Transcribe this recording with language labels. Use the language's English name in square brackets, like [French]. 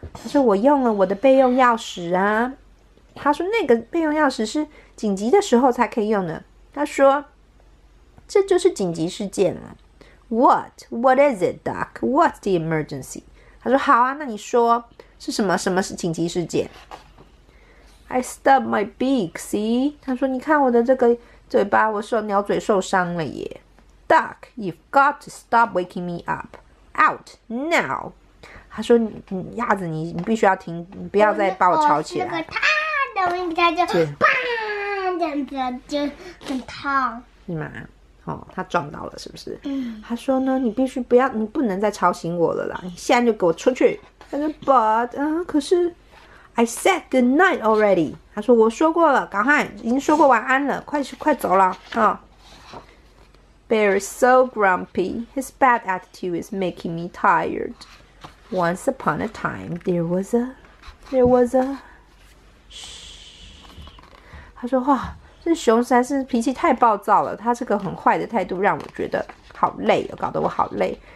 [Chinese] 他说我用了我的备用钥匙啊。他说那个备用钥匙是紧急的时候才可以用的。他说这就是紧急事件了。 [English] What? What is it, Doc? What's the emergency? [Chinese] 他说好啊，那你说是什么什么紧急事件？ [English] I stubbed my beak, see? [Chinese] 他说你看我的这个嘴巴，我说鸟嘴受伤了耶。 [English] Doc, you've got to stop waking me up. Out now. [Chinese] 他说鸭子你必须要停，你不要再把我吵起来。那个烫的，应该就砰这样子就很烫。是吗？哦，他撞到了是不是？他说呢，你必须不要，你不能再吵醒我了啦，你现在就给我出去。他说 ， [English] But [Chinese] 啊，可是 ，I said good night already。他说我说过了，赶快，已经说过晚安了，快走了啊。 [English] Bear is so grumpy. His bad attitude is making me tired. Once upon a time, there was a. [Chinese] 嘘。他说哇。这熊实在是脾气太暴躁了，他这个很坏的态度让我觉得好累，搞得我好累。